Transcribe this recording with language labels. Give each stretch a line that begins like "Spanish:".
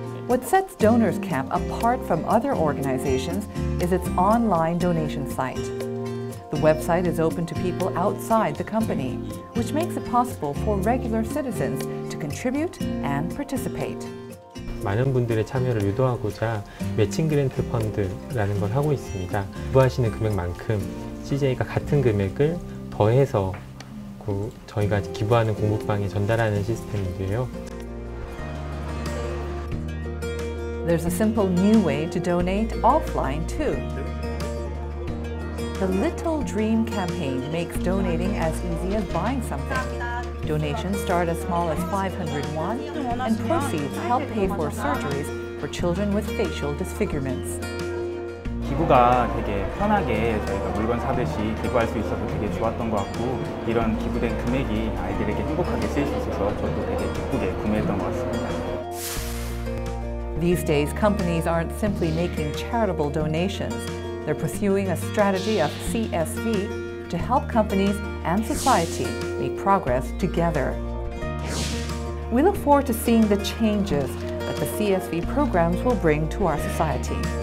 English: What sets Donors Camp apart from other organizations is its online donation site. The website is open to people outside the company, which makes it possible for regular citizens to contribute and participate.
Korean: 많은 분들의 참여를 유도하고자 매칭 그랜트 펀드라는 걸 하고 있습니다. 부과하시는 금액만큼 CJ가 같은 금액을 더해서 저희가 기부하는 공부방에 전달하는 시스템인데요.
English: There's a simple new way to donate offline too. The Little Dream campaign makes donating as easy as buying something. Donations start as small as 500 won, and proceeds help pay for surgeries for children with facial disfigurements.
Korean: 기부가 되게 편하게 저희가 물건 사듯이 기부할 수 있어서 되게 좋았던 것 같고 이런 기부된 금액이 아이들에게 행복하게 쓰일 수 있어서 저도 되게 기쁘게 구매했던 것 같습니다.
English: These days, companies aren't simply making charitable donations. They're pursuing a strategy of CSV to help companies and society make progress together. We look forward to seeing the changes that the CSV programs will bring to our society.